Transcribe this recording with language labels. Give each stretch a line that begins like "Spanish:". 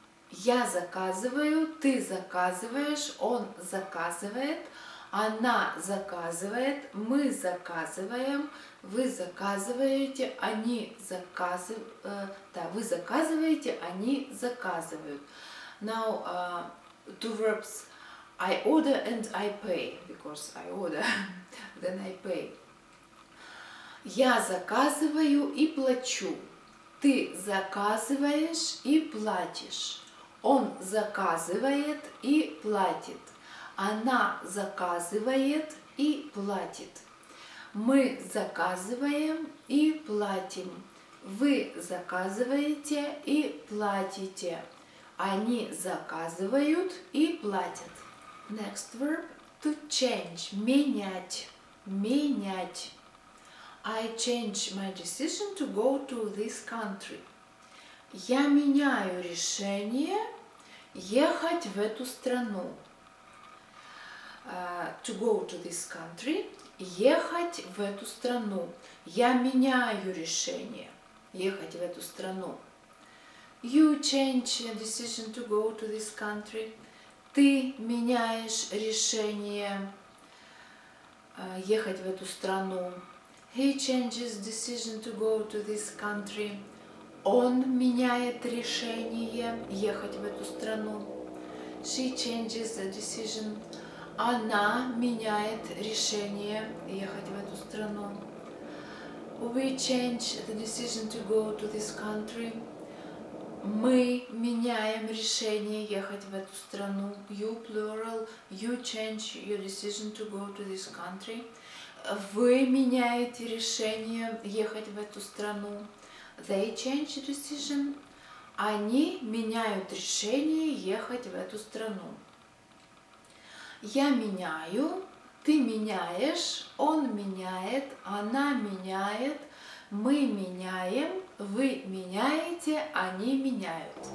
Russian: Я заказываю, ты заказываешь, он заказывает, она заказывает, мы заказываем, вы заказываете, они заказывают, да, вы заказываете, они заказывают.
English: Now, two verbs, I order and I pay, because I order, then I pay.
Russian: Я заказываю и плачу, ты заказываешь и платишь. Он заказывает и платит. Она заказывает и платит. Мы заказываем и платим. Вы заказываете и платите. Они заказывают и платят.
English: Next verb to change.
Russian: Менять. Менять.
English: I change my decision to go to this country.
Russian: Я меняю решение ехать в эту страну.
English: To go to this country.
Russian: Ехать в эту страну. Я меняю решение ехать в эту страну.
English: You change your decision to go to this country.
Russian: Ты меняешь решение ехать в эту страну.
English: He changes decision to go to this country.
Russian: Он меняет решение ехать в эту страну.
English: She changes the decision.
Russian: Она меняет решение ехать в эту страну.
English: We change the decision to go to this country.
Russian: Мы меняем решение ехать в эту страну.
English: You plural. You change your decision to go to this country.
Russian: Вы меняете решение ехать в эту страну.
English: They change decision.
Russian: Они меняют решение ехать в эту страну. Я меняю, ты меняешь, он меняет, она меняет, мы меняем, вы меняете, они меняют.